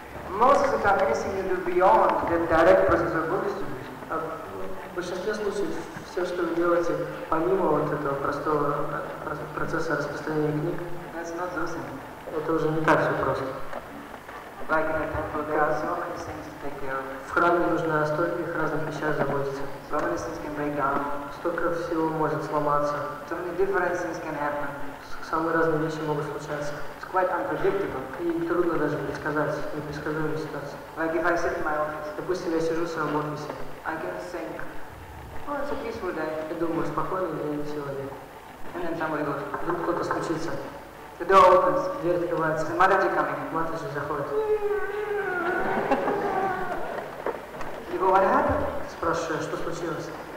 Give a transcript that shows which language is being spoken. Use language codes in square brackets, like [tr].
[en] Most of the time, anything you do beyond the direct process of Buddhist distribution. [ru] В большинстве случаев, все, что вы делаете, помимо вот этого простого процесса распространения книг, [en] that's not so simple. [ru] Это уже не так все просто. [en] Like in a temple, there are so many things to take care of. [ru] В храме нужно о стольких разных вещах заботиться. [en] So many things can break down. [ru] Столько всего может сломаться. [en] So many different things can happen. [ru] Самые разные вещи могут случаться. [en] It's quite unpredictable. [ru] И трудно даже предсказать, непредсказуемая ситуация. [en] Like if I sit in my office. [ru] Допустим, я сижу в своем офисе. [en] I can think, well, it's a peaceful day. [ru] Я думаю, спокойный день сегодня. [en] And then somebody goes. [ru] Вдруг кто-то стучится. [en] The door opens. [ru] Дверь открывается. [en] The Mataji coming. [ru] Матаджи заходит. [en] You go, what happened? [ru] Спрашиваю, что случилось?